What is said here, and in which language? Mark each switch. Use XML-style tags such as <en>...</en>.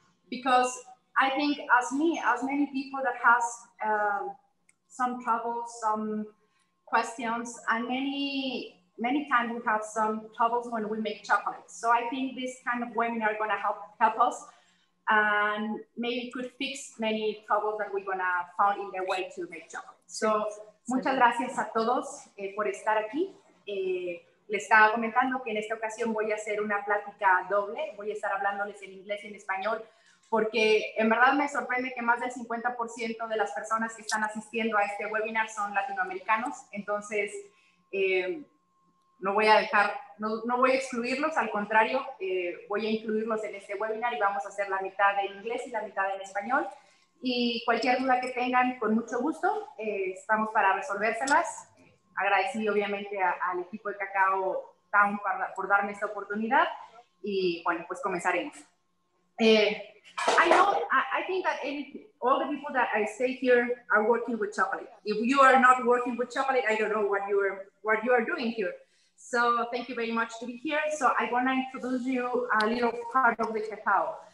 <en>Because I think as me, as many people that has some trouble, some questions, and many times we have some troubles when we make chocolate. So I think this kind of webinar is gonna help us and maybe could fix many troubles that we're gonna find in the way to make chocolate.</en> <es>So muchas gracias a todos por estar aquí. Les estaba comentando que en esta ocasión voy a hacer una plática doble. Voy a estar hablándoles en inglés y en español, porque en verdad me sorprende que más del 50% de las personas que están asistiendo a este webinar son latinoamericanos. Entonces, no voy a excluirlos, al contrario, voy a incluirlos en este webinar y vamos a hacer la mitad en inglés y la mitad en español. Y cualquier duda que tengan, con mucho gusto, estamos para resolvérselas. Agradecido obviamente al equipo de Kekau Town por darme esta oportunidad. Y bueno, pues comenzaremos.</es> <en>I think that all the people that I stay here are working with chocolate. If you are not working with chocolate, I don't know what you are doing here. So thank you very much to be here. So I want to introduce you a little part of the Kekau.</en>